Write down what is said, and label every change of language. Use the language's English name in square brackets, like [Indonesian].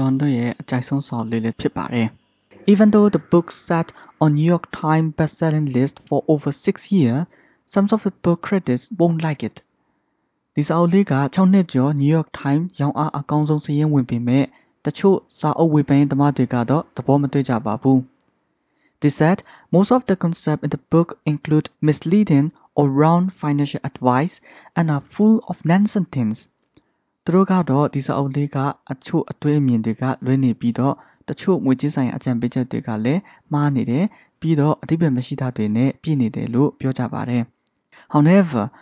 [Burmese] ဒီစာအုပ်လေးကတော့ပုံမှန်လူတွေကြားမှာပဲနာမည်ကြီးခဲ့တာမဟုတ်ပါဘူး။နာမည်ကြီးလူတွေဖြစ်တဲ့အော်ပရာဝင်းဖရီ၊ဝယ်လ်စမစ်နဲ့ရှာ့ခ်တန်မီလီယနာတဦးဖြစ်တဲ့ဒေမွန်ဂျွန်တို့ရဲ့အကြိုက်ဆုံးစာအုပ်လေးလည်းဖြစ်ပါတယ်။ [English] Even though the book sat on New York Times best-selling list for over 6 years, some of the book critics won't like it. [Burmese] ဒီစာအုပ်လေးက 6 နှစ်ကျော် New York Times ရောင်းအားအကောင်းဆုံးစာရင်းဝင်ပေမဲ့တချို့စာအုပ်ဝေဖန်သမားတွေကတော့သဘောမတူကြပါဘူး။ [English] They said most of the concepts in the book include misleading or wrong financial advice and are full of nonsense things. However,